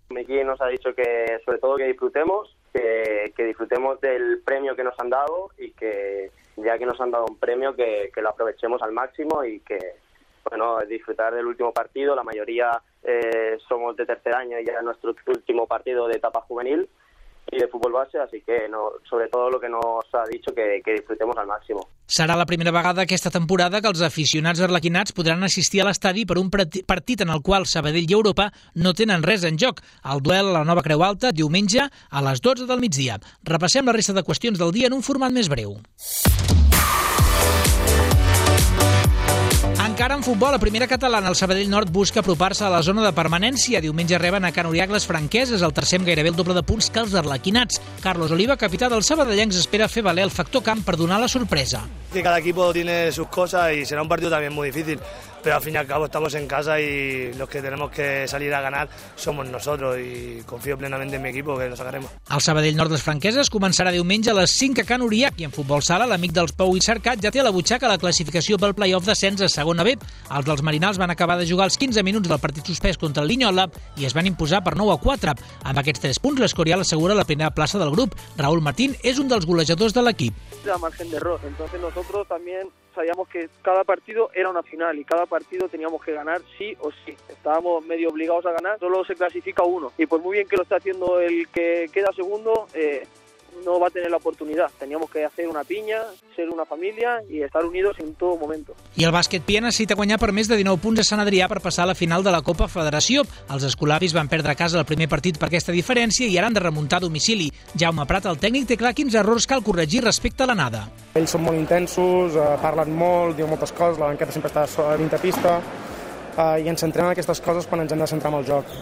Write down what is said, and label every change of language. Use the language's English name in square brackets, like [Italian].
[Spanish] Miqui nos ha dicho que, sobre todo, que disfrutemos, que disfrutemos del premio que nos han dado y que, ya que nos han dado un premio, que lo aprovechemos al máximo y que, bueno, disfrutar del último partido. La mayoría somos de tercer año y ya nuestro último partido de etapa juvenil y de fútbol base, así que no, sobre todo lo que nos ha dicho, que disfrutemos al máximo. [Catalan] Serà la primera vegada aquesta temporada que els aficionats arlequinats podran assistir a l'estadi per un partit en el qual Sabadell i Europa no tenen res en joc. El duel a la Nova Creu Alta, diumenge, a les 12 del migdia. Repassem la resta de qüestions del dia en un format més breu. Encara en futbol, a primera catalana, el Sabadell Nord busca apropar-se a la zona de permanència. Diumenge reben a Can Oriac les franqueses, el tercer amb gairebé el doble de punts que els arlequinats. Carlos Oliva, capità del sabadellencs, espera fer valer el factor camp per donar la sorpresa. [Spanish] Que cada equip tiene sus cosas y será un partido también muy difícil, pero al fin y al cabo estamos en casa y los que tenemos que salir a ganar somos nosotros y confío plenamente en mi equipo que lo sacaremos. [Catalan] El Sabadell Nord les franqueses començarà diumenge a les 5 a Can Oriac i en futbol sala l'amic dels Pou i Cercat ja té a la butxaca la classificació pel play-off d'ascens a segona B. Els dels Marinals van acabar de jugar els 15 minuts del partit suspès contra el Linyola i es van imposar per 9-4. Amb aquests 3 punts l'Escorial assegura la primera plaça del grup. Raúl Martín és un dels golejadors de l'equip. [Spanish] La margen de error, entonces nosotros también sabíamos que cada partido era una final y cada partido teníamos que ganar sí o sí. Estábamos medio obligados a ganar, solo se clasifica uno. Y por muy bien que lo está haciendo el que queda segundo, no va a tener la oportunidad. Teníamos que hacer una piña, ser una familia y estar unidos en todo momento. [Catalan] I el bàsquet Pia necessita guanyar per més de 19 punts a Sant Adrià per passar a la final de la Copa Federació. Els escolapis van perdre a casa el primer partit per aquesta diferència i ara han de remuntar a domicili. Jaume Prat, el tècnic, té clar quins errors cal corregir respecte a l'anada. Ells són molt intensos, parlen molt, diuen moltes coses, la banqueta sempre està a dintre pista i ens centrem en aquestes coses quan ens hem de centrar en el joc.